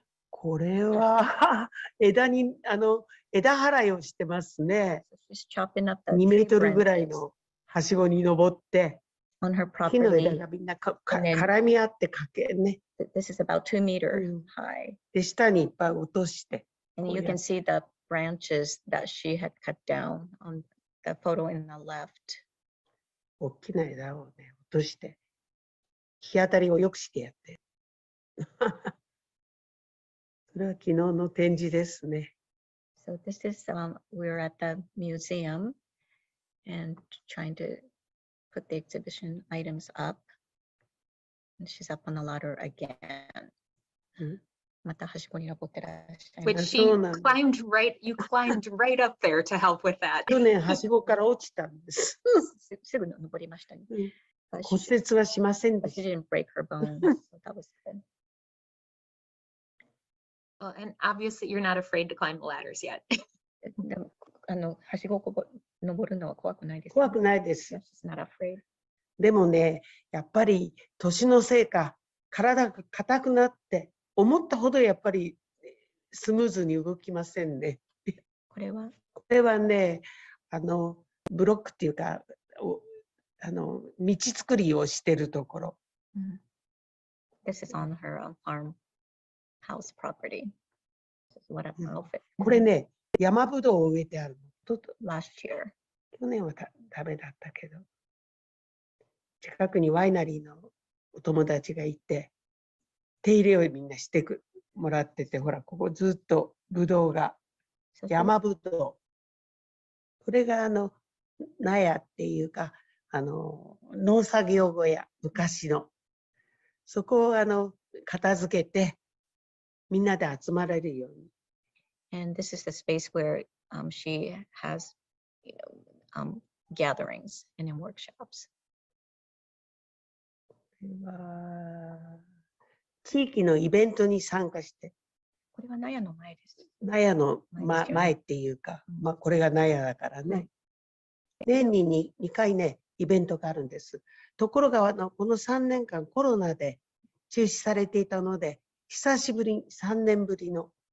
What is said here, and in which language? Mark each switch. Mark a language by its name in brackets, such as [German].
[Japanese] これは枝にあの枝払いをしてますね。 2 メートルぐらいのはしごに登って、木の枝がみんな絡み合ってかけね。 [English] This is about 2 meters high. [Japanese] で下にいっぱい落として。 [English] And you can see the branches that she had cut down on the photo in the left. [Japanese] 大きな枝を、ね、落として日当たりを良くしてやってそれは昨日の展示ですね。 [English] So this is we're at the museum and trying to put the exhibition items up. And she's up on the ladder again. [Japanese] またはしごに登ってらっしゃいます。 [English] Which she climbed right, you climbed right up there to help with that. [Japanese] 去年はしごから落ちたんです。すぐ登りましたね。骨折はしませんでした。 [English] She didn't break her bones. That was good. Well, and obviously you're not afraid to climb the ladders yet. [Japanese] でもあのはしごを登るのは怖くないです。怖くないです。 [English] She's not afraid. [Japanese] でもね、やっぱり年のせいか体が硬くなって思ったほどやっぱりスムーズに動きませんね。これは？これはね、あのブロックっていうか、あの道作りをしてるところ。 [English] This is on her farmhouse property. This is what I'm hoping. [Japanese] これね、山ぶどうを植えてあるの。 [English] Last year. [Japanese] 去年はダメだったけど、近くにワイナリーのお友達がいて、手入れをみんなしてもらってて、ほら、ここずっとぶどうが、山ぶどう。これがあの、納屋っていうか、あの、農作業小屋、昔の。そこをあの、片付けて、みんなで集まれるように。 [English] And this is the space where, she has, you know, gatherings and in workshops. [Japanese] これは、地域のイベントに参加して。これは納屋の前です。納屋の、ま、前っていうか、うん、まあ、これが納屋だからね。年に 2回ね、イベントがあるんです。ところが、この3年間コロナで中止されていたので、久しぶり、3年ぶりの、